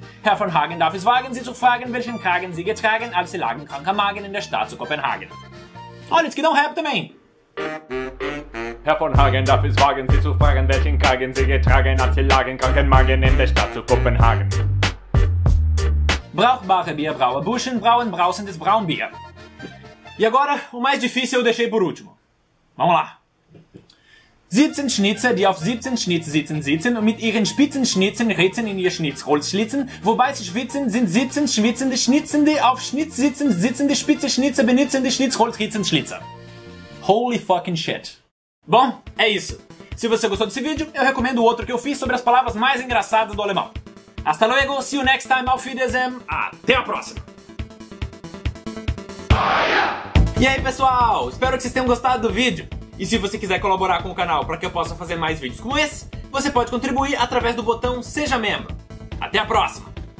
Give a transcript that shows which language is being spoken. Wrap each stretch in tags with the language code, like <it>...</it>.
<de>Herr von Hagen darf es wagen, sie zu fragen, welchen Kragen sie getragen, als sie lagen krank am Magen in der Stadt zu Kopenhagen. Und jetzt geht auch Herr Domain! Herr von Hagen darf es wagen, sie zu fragen, welchen Kragen sie getragen, als sie lagen krank am Magen in der Stadt zu Kopenhagen. Brauchbare Bierbrauer, Buschen brauen brausendes Braunbier.</de> <pt>E agora, o mais difícil eu deixei por último. Vamos lá.</pt> <de>17 Schnitzer, die auf 17 Schnitz sitzen, sitzen und mit ihren spitzen Schnitzen ritzen in ihr Schnitzholz schlitzen, wobei sie schwitzen, sind 17 schwitzende Schnitzende auf Schnitz sitzen, sitzende spitze Schnitzer benitzende Schnitzholz ritzen Schlitzer.</de> <en>Holy fucking shit.</en> <pt>Bom, é isso. Se você gostou desse vídeo, eu recomendo o outro que eu fiz sobre as palavras mais engraçadas do alemão.</pt> <es>Hasta luego,</es> <en>see you next time,</en> <de>auf Wiedersehen,</de> <pt>até a próxima! E aí, pessoal, espero que vocês tenham gostado do vídeo. E se você quiser colaborar com o canal para que eu possa fazer mais vídeos como esse, você pode contribuir através do botão Seja Membro. Até a próxima!</pt>